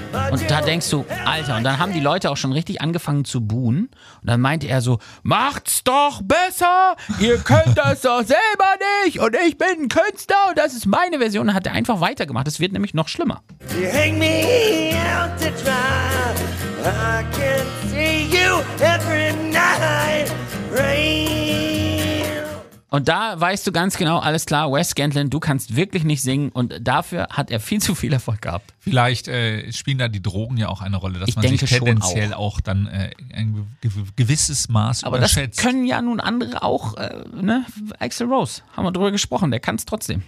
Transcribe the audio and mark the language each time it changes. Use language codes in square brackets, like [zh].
[de] Und da denkst du, Alter, und dann haben die Leute auch schon richtig angefangen zu buhen. Und dann meinte er so, macht's doch besser, ihr könnt das doch selber nicht. Und ich bin ein Künstler und das ist meine Version. Und hat er einfach weitergemacht. Es wird nämlich noch schlimmer. [en] You hang me out to dry. I can see you every night. Rain. [de] Und da weißt du ganz genau, alles klar, Wes Scantlin, du kannst wirklich nicht singen und dafür hat er viel zu viel Erfolg gehabt. Vielleicht spielen da die Drogen ja auch eine Rolle, dass ich man sich tendenziell auch dann ein gewisses Maß aber überschätzt. Aber das können ja nun andere auch, ne? Axl Rose, haben wir drüber gesprochen, der kann es trotzdem.